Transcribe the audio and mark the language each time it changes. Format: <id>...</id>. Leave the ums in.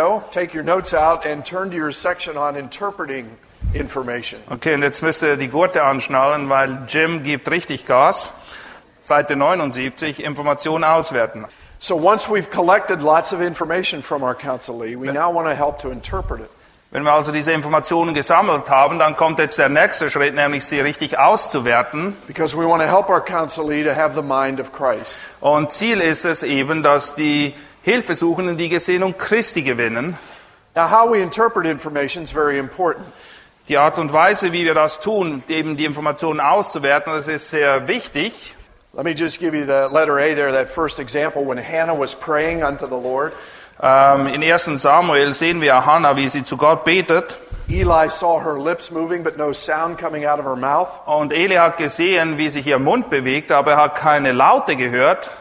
<en>take your notes out and turn to your section on interpreting information.</en> <de>Okay, und jetzt müsst ihr die Gurte anschnallen, weil Jim gibt richtig Gas. Seite 79, Informationen auswerten.</de> <en>So once we've collected lots of information from our counselee, we now want to help to interpret it.</en> <de>Wenn wir also diese Informationen gesammelt haben, dann kommt jetzt der nächste Schritt, nämlich sie richtig auszuwerten.</de> <en>Because we want to help our counselee to have the mind of Christ.</en> <de>Und Ziel ist es eben, dass die Hilfesuchenden die Gesinnung um Christi gewinnen. Die Art und Weise, wie wir das tun, eben die Informationen auszuwerten, das ist sehr wichtig.</de> <en>Let me just give you the letter A there, that first example when Hannah was praying unto the Lord. Um,</en> <de>in 1. Samuel sehen wir Hannah, wie sie zu Gott betet.</de> <en>Eli saw her lips moving, but no sound coming out of her mouth.</en> <de>Und Eli hat gesehen, wie sich ihr Mund bewegt, aber er hat keine Laute gehört.</de>